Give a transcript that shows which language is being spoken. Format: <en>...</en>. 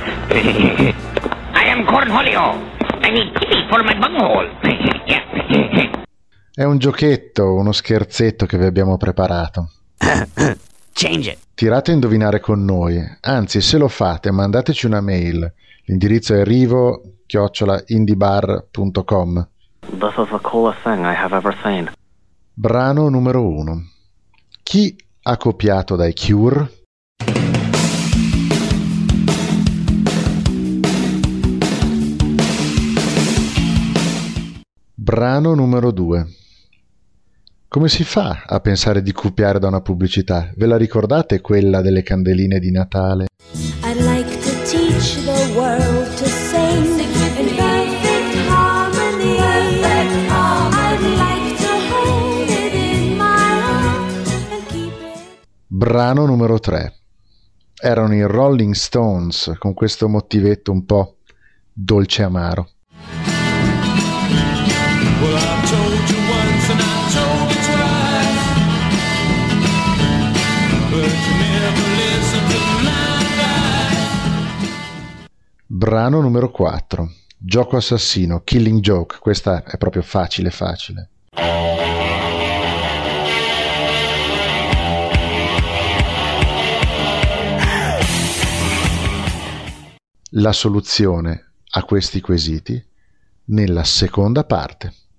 <en>I am Cornholio. I need Timmy for my bunghole.</en> <it>È un giochetto, uno scherzetto che vi abbiamo preparato.</it> <en>Change it.</en> <it>Tirate a indovinare con noi. Anzi, se lo fate, mandateci una mail. L'indirizzo è rivo@indiebar.com.</it> <en>This is the coolest thing I have ever seen.</en> <it>Brano numero 1. Chi ha copiato dai Cure? Brano numero 2. Come si fa a pensare di copiare da una pubblicità? Ve la ricordate quella delle candeline di Natale?</it> <en>I'd like to teach the world to sing in perfect harmony. I'd like to hold it in my heart.</en> <it>Brano numero 3. Erano i Rolling Stones con questo motivetto un po' dolce amaro.</it> <en>Well, I've told you once and I've told you twice, but you never listen to my advice.</en> <it>Brano numero 4. Gioco assassino, Killing Joke. Questa è proprio facile, facile. La soluzione a questi quesiti nella seconda parte.</it>